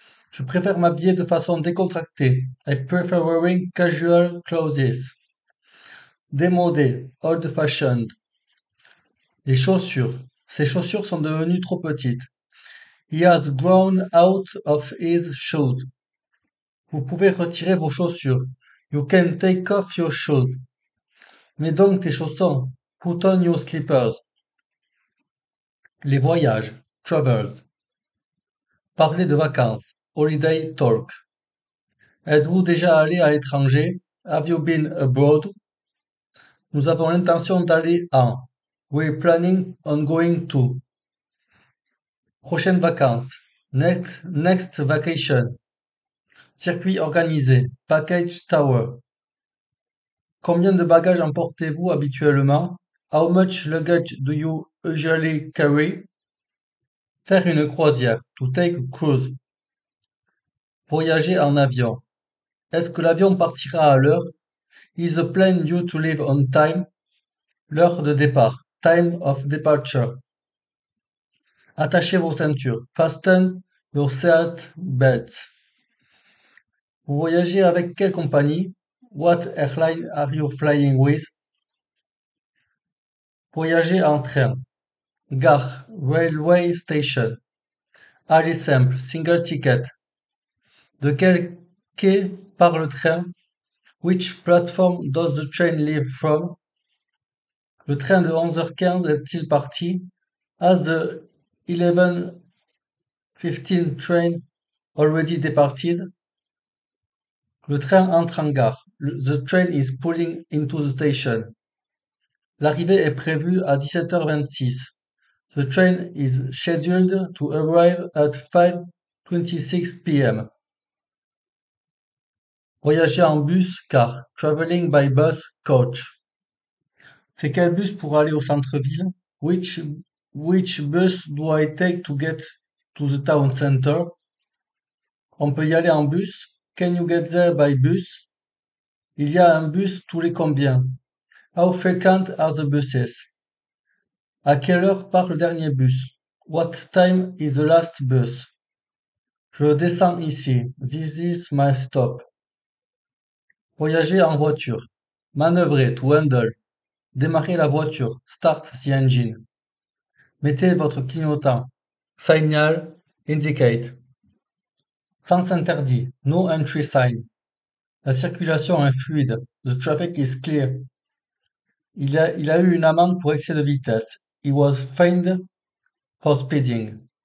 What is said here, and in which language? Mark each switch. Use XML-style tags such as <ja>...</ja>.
<fr>Je préfère m'habiller de façon décontractée.</fr> <en>I prefer wearing casual clothes.</en> <fr>Démodé,</fr> <en>old fashioned.</en> <fr>Les chaussures. Ses chaussures sont devenues trop petites.</fr> <en>He has grown out of his shoes.</en> <fr>Vous pouvez retirer vos chaussures.</fr> <en>You can take off your shoes.</en> <fr>Mets donc tes chaussons.</fr> <en>Put on your slippers.</en> <fr>Les voyages.</fr> <en>Travels.</en> <fr>Parler de vacances.</fr> <en>Holiday talk.</en> <fr>Êtes-vous déjà allé à l'étranger?</fr> <en>Have you been abroad?</en> <fr>Nous avons l'intention d'aller en.</fr> <en>We're planning on going to.</en> <fr>Prochaines vacances.</fr> <en>Next vacation.</en> <fr>Circuit organisé.</fr> <en>Package tour.</en> <fr>Combien de bagages emportez-vous habituellement?</fr> <en>How much luggage do you usually carry?</en> <fr>Faire une croisière.</fr> <en>To take a cruise.</en> <fr>Voyager en avion. Est-ce que l'avion partira à l'heure?</fr> <en>Is the plane due to leave on time?</en> <fr>L'heure de départ.</fr> <en>Time of departure.</en> <fr>Attachez vos ceintures.</fr> <en>Fasten your seat belts.</en> <fr>Vous voyagez avec quelle compagnie?</fr> <en>What airline are you flying with?</en> <fr>Voyagez en train. Gare,</fr> <en>railway station.</en> <fr>Aller simple,</fr> <en>single ticket.</en> <fr>De quel quai part le train?</fr> <en>Which platform does the train leave from?</en> <fr>Le train de 11h15 est-il parti?</fr> <en>Has the 11:15 train already departed?</en> <fr>Le train entre en gare.</fr> <en>The train is pulling into the station.</en> <fr>L'arrivée est prévue à 17h26.</fr> <en>The train is scheduled to arrive at 5:26 p.m.</en> <fr>Voyager en bus, car,</fr> <en>traveling by bus, coach.</en> <fr>C'est quel bus pour aller au centre-ville?</fr> <en>Which bus do I take to get to the town center?</en> <fr>On peut y aller en bus.</fr> <en>Can you get there by bus?</en> <fr>Il y a un bus tous les combien?</fr> <en>How frequent are the buses?</en> <fr>À quelle heure part le dernier bus?</fr> <en>What time is the last bus?</en> <fr>Je descends ici.</fr> <en>This is my stop.</en> <fr>Voyager en voiture. Manœuvrer</fr> <en>to handle.</en> <fr>Démarrer la voiture.</fr> <en>Start the engine.</en> <fr>Mettez votre clignotant.</fr> <en>Signal. Indicate.</en> <fr>Sens interdit.</fr> <en>No entry sign.</en> <fr>La circulation est fluide.</fr> <en>The traffic is clear.</en> <fr>Il a eu une amende pour excès de vitesse.</fr> <en>He was fined for speeding.</en>